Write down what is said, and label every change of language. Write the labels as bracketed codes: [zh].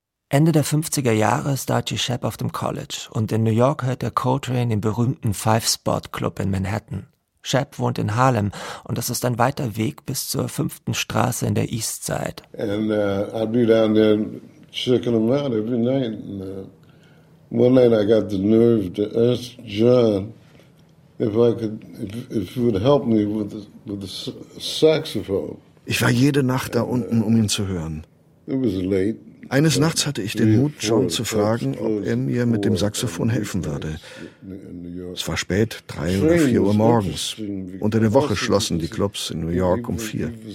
[de] Ende der 50er Jahre ist Archie Shepp auf dem College und in New York hört er Coltrane im berühmten Five Spot Club in Manhattan. Shepp wohnt in Harlem und das ist ein weiter Weg bis zur 5. Straße in der East Side. [en] And I'd be down there checking them out every night. And one night I got the nerve to ask John if he would help me with the saxophone. [de] Ich war jede Nacht da unten, um ihn zu hören. [en] It was late. [de] Eines Nachts hatte ich den Mut, John zu fragen, ob er mir mit dem Saxophon helfen würde. Es war spät, 3 oder 4 Uhr morgens. Unter der Woche schlossen die Clubs in New York um 4.